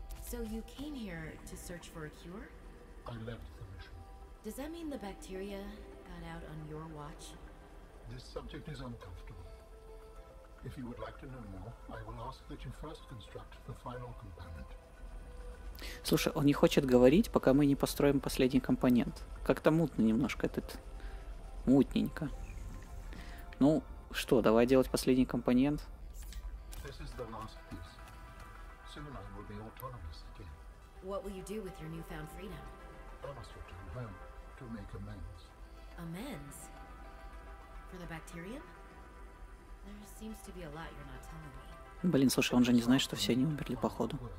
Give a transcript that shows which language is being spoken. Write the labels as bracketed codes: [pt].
[en] So you came here to search for a cure? I left the mission. Does that mean the bacteria got out on your watch? This subject is uncomfortable. If you would like to know more, I will ask that you first construct the final component. [ru] Слушай, он не хочет говорить, пока мы не построим последний компонент. Как-то мутно немножко этот. Мутненько. Ну, что, давай делать последний компонент. [en] This is the last piece. Soon I will be autonomous again. What will you do with your newfound freedom? I must return home to make amends. Amends? For the bacterium? There seems to be a lot you're not telling me. [ru] Блин, слушай, он же не знает, что все они умерли, походу.